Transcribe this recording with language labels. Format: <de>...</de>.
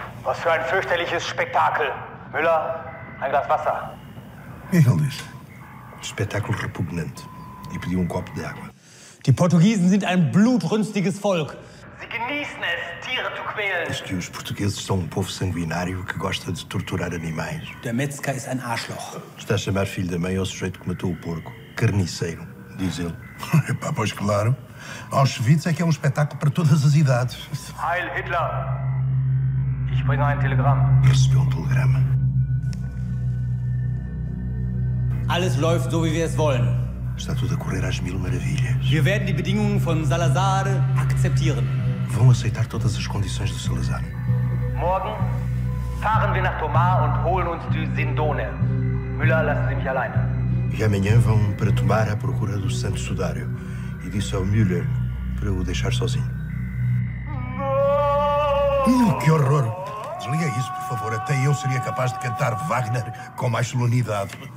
<de>Was für ein fürchterliches Spektakel. Müller, ein Glas Wasser.</de> <pt>O que é que ele diz? Espetáculo repugnante. E pediu um copo de água.</pt> <de>Die Portugiesen sind ein blutrünstiges Volk. Sie genießen es, Tiere zu quälen.</de> <pt>Diz que os portugueses são um povo sanguinário que gosta de torturar animais.</pt> <de>Der Metzger ist ein Arschloch.</de> <pt>Está a chamar filho da mãe ao sujeito que matou o porco. Carniceiro, diz ele. Epá, pois claro. Auschwitz é que é um espetáculo para todas as idades.</pt> <de>Heil Hitler. Ich bringe ein Telegramm.</de> <pt>Recebeu um telegrama.</pt> <de>Alles läuft so wie wir es wollen.</de> <pt>Está tudo a correr às mil maravilhas.</pt> <de>Wir werden die Bedingungen von Salazar akzeptieren.</de> <pt>Vão aceitar todas as condições do Salazar.</pt> <de>Morgen fahren wir nach Tomar und holen uns die Sindone. Müller, lassen Sie mich alleine.</de> <pt>E amanhã vão para Tomar à procura do Santo Sudário. E disse ao Müller para o deixar sozinho. Que horror! Desliga isso, por favor. Até eu seria capaz de cantar Wagner com mais solenidade.</pt>